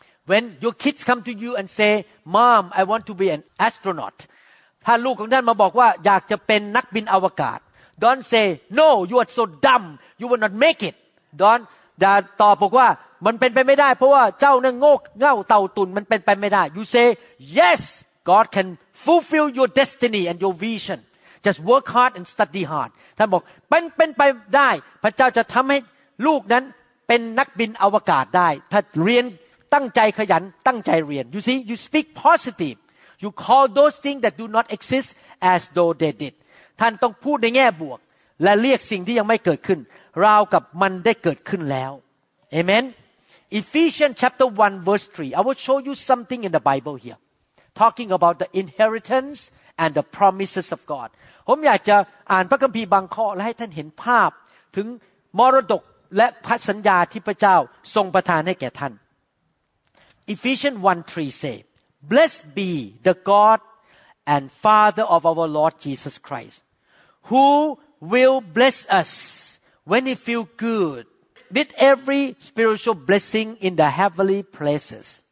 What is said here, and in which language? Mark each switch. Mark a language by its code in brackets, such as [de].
[en] When your kids come to you and say mom I want to be an astronaut [th] ถ้าลูกของท่านมาบอกว่าอยากจะเป็นนักบินอวกาศ [en] Don't say no you are so dumb you will not make it Don't [th] แต่ตอบบอกว่ามันเป็นไปไม่ได้ [en] เพราะว่าเจ้านั้นโง่เง่าเต่าตุ่นมันเป็นไปไม่ได้ You say yes God can fulfill your destiny and your visionJust work hard and study hard. [th] ท่านบอกเป็นไปได้พระเจ้าจะทำให้ลูกนั้นเป็นนักบินอวกาศได้ถ้าเรียนตั้งใจขยันตั้งใจเรียน [en] You see, you speak positive. You call those things that do not exist as though they did. [th] ท่านต้องพูดในแง่บวกและเรียกสิ่งที่ยังไม่เกิดขึ้นราวกับมันได้เกิดขึ้นแล้ว Amen. [en] Ephesians chapter 1 verse 3. I will show you something in the Bible here. Talking about the inheritanceand the promises of God [th] ผมอยากจะอ่านพระคัมภีร์บางข้อและให้ท่านเห็นภาพถึงมรดกและพันธสัญญาที่พระเจ้าทรงประทานให้แก่ท่าน [en] Ephesians 1:3 say Blessed be the God and Father of our Lord Jesus Christ who will bless us when he feel good with every spiritual blessing in the heavenly places